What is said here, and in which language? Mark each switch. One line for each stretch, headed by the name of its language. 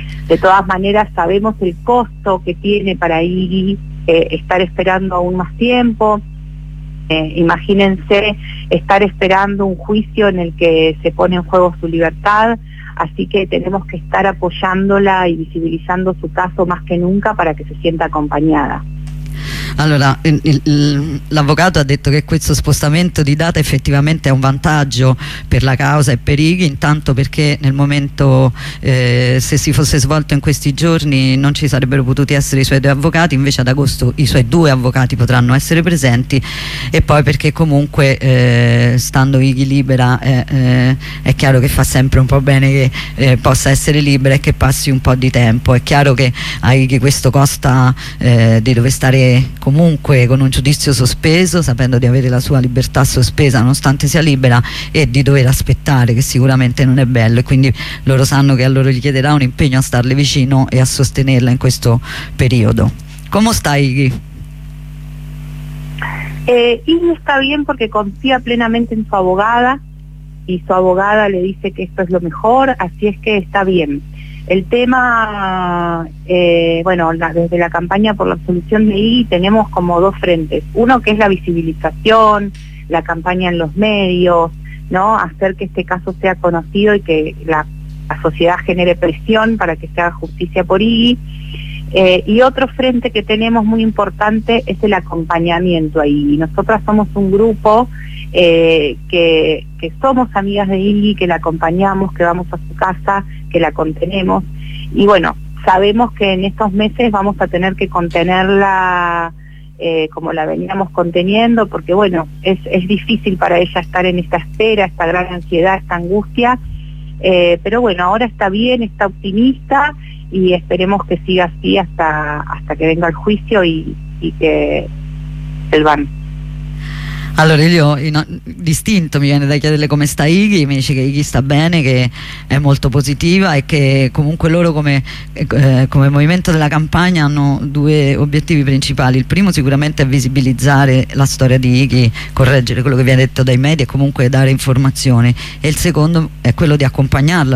Spanish: De todas maneras, sabemos el costo que tiene para Iggy estar esperando aún más tiempo. Imagínense estar esperando un juicio en el que se pone en juego su libertad, así que tenemos que estar apoyándola y visibilizando su caso más que nunca para que se sienta acompañada.
Italian: Allora, l'avvocato ha detto che questo spostamento di data effettivamente è un vantaggio per la causa e per Iggy, intanto perché nel momento, se si fosse svolto in questi giorni, non ci sarebbero potuti essere i suoi due avvocati, invece ad agosto i suoi due avvocati potranno essere presenti, e poi perché comunque stando Iggy libera è chiaro che fa sempre un po' bene che possa essere libera e che passi un po' di tempo. È chiaro che a Iggy questo costa di dover stare comunque con un giudizio sospeso, sapendo di avere la sua libertà sospesa nonostante sia libera, e di dover aspettare, che sicuramente non è bello, e quindi loro sanno che a loro gli chiederà un impegno a starle vicino e a sostenerla in questo periodo. Come stai, Iggy? Iggy sta bene perché
Spanish: confia plenamente
Italian: in sua avvocata, e sua avvocata
Spanish: le dice
Italian: che questo è
Spanish: lo mejor, así es que
Italian: sta bene.
Spanish: El tema, bueno, desde la campaña por la absolución de Iggy tenemos como dos frentes. Uno que es la visibilización, la campaña en los medios, ¿no? Hacer que este caso sea conocido y que la sociedad genere presión para que se haga justicia por Iggy. Y otro frente que tenemos muy importante es el acompañamiento a Iggy. Nosotras somos un grupo que somos amigas de Iggy, que la acompañamos, que vamos a su casa, que la contenemos, y bueno, sabemos que en estos meses vamos a tener que contenerla como la veníamos conteniendo, porque bueno, es difícil para ella estar en esta espera, esta gran ansiedad, esta angustia, pero bueno, ahora está bien, está optimista, y esperemos que siga así hasta que venga el juicio y que el van.
Italian: Allora, io distinto, mi viene da chiederle come sta Iggy, mi dice che Iggy sta bene, che è molto positiva e che comunque loro come movimento della campagna hanno due obiettivi principali. Il primo sicuramente è visibilizzare la storia di Iggy, correggere quello che viene detto dai media e comunque dare informazioni, e il secondo è quello di accompagnarla.